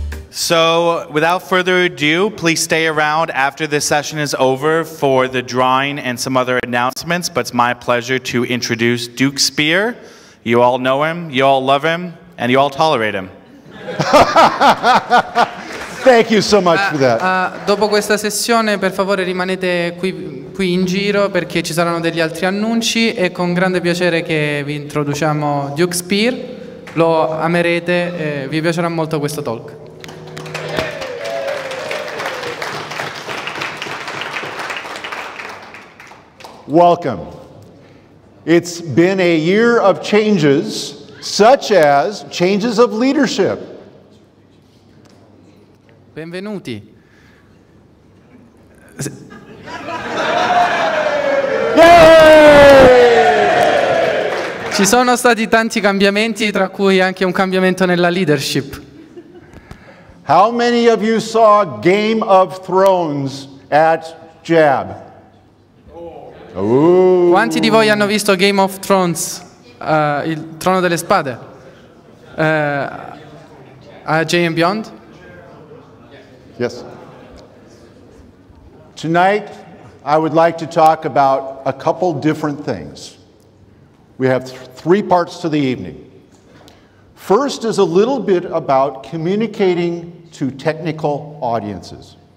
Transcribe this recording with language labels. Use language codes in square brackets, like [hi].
[en] So without further ado, please stay around after this session is over for the drawing and some other announcements. But it's my pleasure to introduce Duke Speer. You all know him, you all love him, and you all tolerate him. Thank you so much for that. [it] Dopo questa sessione, per favore, rimanete qui in giro perché ci saranno degli altri annunci e con grande piacere che vi introduciamo Duke Speer. Lo amerete, vi piacerà molto questo talk. [en] Welcome. It's been a year of changes, such as changes of leadership. [it] Benvenuti. Yay! Ci sono stati tanti cambiamenti, tra cui anche un cambiamento nella leadership. [en] How many of you saw Game of Thrones at JAB? Ooh. [it] Quanti di voi hanno visto Game of Thrones, il trono delle spade, a JM Beyond? [en] Yes. Tonight, I would like to talk about a couple different things. We have three parts to the evening. First is a little bit about communicating to technical audiences.